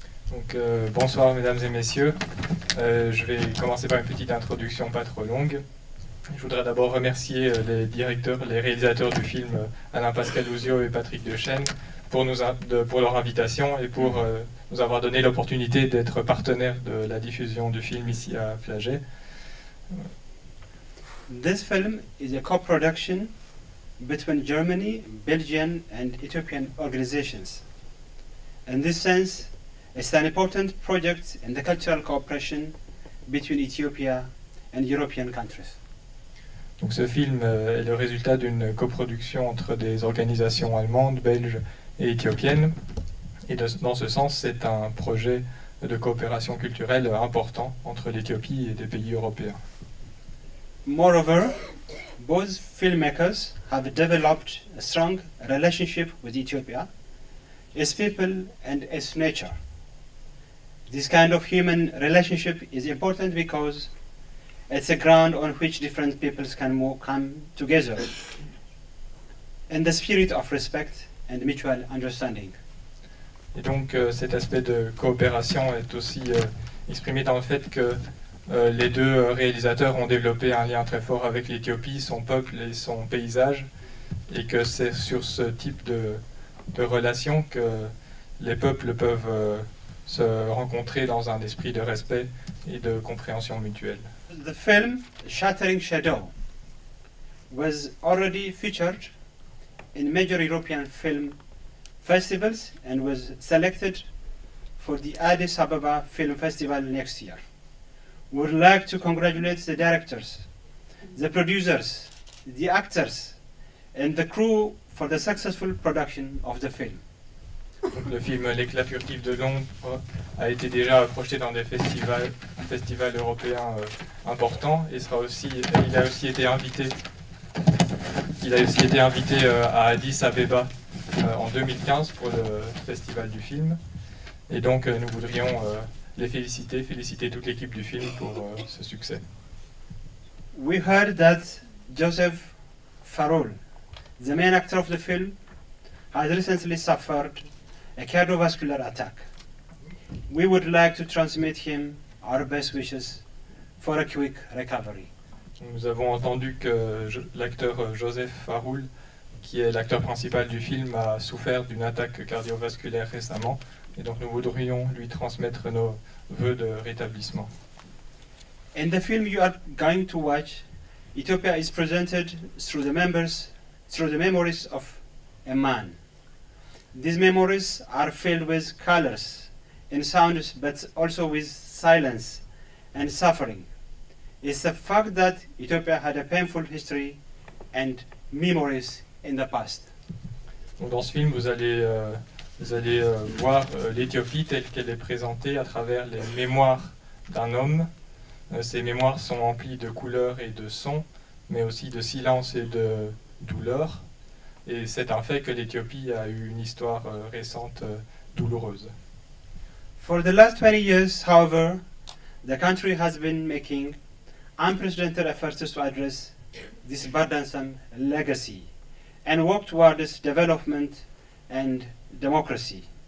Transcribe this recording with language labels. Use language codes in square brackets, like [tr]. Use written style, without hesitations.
[fr] Donc, bonsoir mesdames et messieurs, je vais commencer par une petite introduction pas trop longue. Je voudrais d'abord remercier les directeurs, les réalisateurs du film, Alain Pascal Houssios et Patrick Duchesne, pour leur invitation et pour nous avoir donné l'opportunité d'être partenaires de la diffusion du film ici à Flagey. [en] This film is a co-production between Germany, Belgian and Ethiopian organizations. In this sense, it's an important project in the cultural cooperation between Ethiopia and European countries. [fr] Donc ce film est le résultat d'une coproduction entre des organisations allemandes, belges et éthiopiennes. Et dans ce sens, c'est un projet de coopération culturelle important entre l'Éthiopie et des pays européens. [en] Moreover, both filmmakers have developed a strong relationship with Ethiopia, its people and its nature. This kind of human relationship is important because it's a ground on which different peoples can come together in the spirit of respect and mutual understanding. [fr] Et donc cet aspect de coopération est aussi exprimé dans le fait que les deux réalisateurs ont développé un lien très fort avec l'Éthiopie, son peuple et son paysage, et que c'est sur ce type de relation que les peuples peuvent se rencontrer dans un esprit de respect et de compréhension mutuelle. [en] The film Shattering Shadow was already featured in major European film festivals and was selected for the Addis Ababa Film Festival next year. We would like to congratulate the directors, the producers, the actors and the crew for the successful production of the film. [fr] Le film L'éclat furtif de l'ombre a été déjà projeté dans des festivals européens importants et il a aussi été invité à Addis Abeba en 2015 pour le festival du film. Et donc nous voudrions les féliciter toute l'équipe du film pour ce succès. [en] We heard that Joseph Farrell, the main actor of the film, has recently suffered a cardiovascular attack. We would like to transmit him our best wishes for a quick recovery. [fr] Nous avons entendu que l'acteur Joseph Farrell, qui est l'acteur principal du film, a souffert d'une attaque cardiovasculaire récemment, et donc nous voudrions lui transmettre nos vœux de rétablissement. [en] In the film you are going to watch, Ethiopia is presented through the memories of a man. These memories are filled with colors and sounds, but also with silence and suffering. It's the fact that Ethiopia had a painful history and memories in the past. [fr] Donc dans ce film, vous allez voir l'Éthiopie telle qu'elle est présentée à travers les mémoires d'un homme. Ces mémoires sont emplies de couleurs et de sons, mais aussi de silence et de douleur. Et c'est un fait que l'Éthiopie a eu une histoire récente douloureuse. [en] For the last 20 years, however, the country has been making unprecedented efforts to address this burdensome legacy and work towards development and democracy.